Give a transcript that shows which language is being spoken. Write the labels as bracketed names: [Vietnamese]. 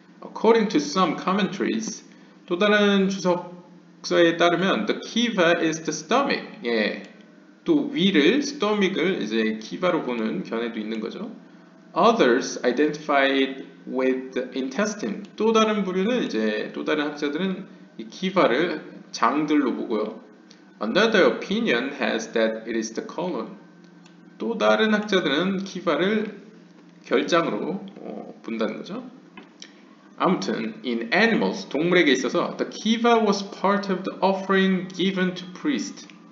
[English] According to some commentaries, [Korean] 또 다른 주석서에 따르면 [English] the kiva is the stomach. 예. [Korean] 또 위를, stomach을 이제 kiva로 보는 견해도 있는 거죠. [English] Others identified with the intestine. [Korean] 또 다른 부류는 이제 또 다른 학자들은 이 kiva를 장들로 보고요. [English] Another opinion has that it is the colon. [Korean] 또 다른 학자들은 kiva를 결장으로 본다는 거죠. [English] 아무튼 in animals, [Korean] 동물에게 있어서 [English] the kiva was part of the offering given to priest.